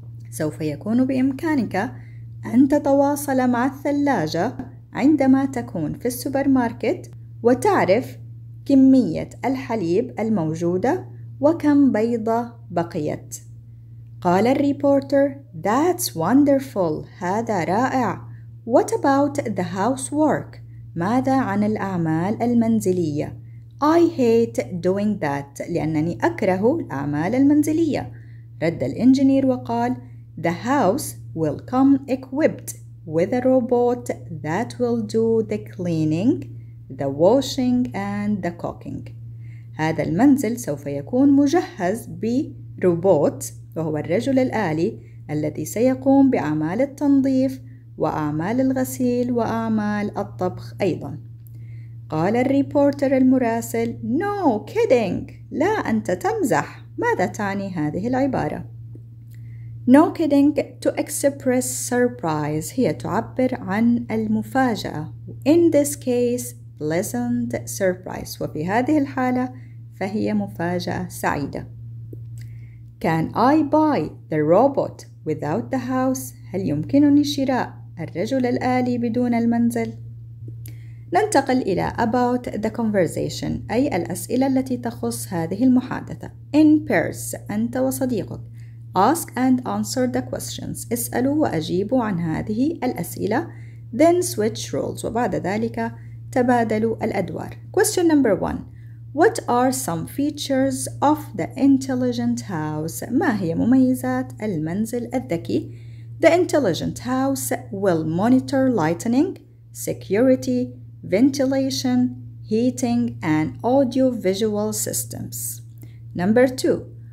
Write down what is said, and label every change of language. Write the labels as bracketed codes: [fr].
[ar] سوف يكون بإمكانك أن تتواصل مع الثلاجة عندما تكون في السوبرماركت وتعرف كمية الحليب الموجودة وكم بيضة بقيت. قال الريبورتر: [en] That's wonderful. [ar] هذا رائع. [en] What about the housework? [ar] ماذا عن الأعمال المنزلية؟ [en] I hate doing that. [ar] لأنني أكره الأعمال المنزلية. رد الإنجينير وقال: [en] The house will come equipped with a robot that will do the cleaning, the washing, and the cooking. [ar] هذا المنزل سوف يكون مجهز بروبوت وهو الرجل الآلي الذي سيقوم بأعمال التنظيف وأعمال الغسيل وأعمال الطبخ أيضا. قال الريبورتر المراسل: [en] No kidding! [ar] لا أنت تمزح! ماذا تعني هذه العبارة؟ [en] No kidding, to express surprise. [ar] هي تعبر عن المفاجأة. [en] In this case, pleasant surprise. [ar] وفي هذه الحالة فهي مفاجأة سعيدة. [en] Can I buy the robot without the house? [ar] هل يمكنني شراء الرجل الآلي بدون المنزل؟ ننتقل إلى [en] about the conversation [ar] أي الأسئلة التي تخص هذه المحادثة. [en] In pairs, [ar] أنت وصديقك. [en] Ask and answer the questions. [ar] اسألوا وأجيبوا عن هذه الأسئلة. [en] Then switch roles. [ar] وبعد ذلك تبادلوا الأدوار. [en] Question number one. What are some features of the intelligent house? [ar] ما هي مميزات المنزل الذكي؟ [en] The intelligent house will monitor lighting, security, ventilation, heating, and audio-visual systems. Number two.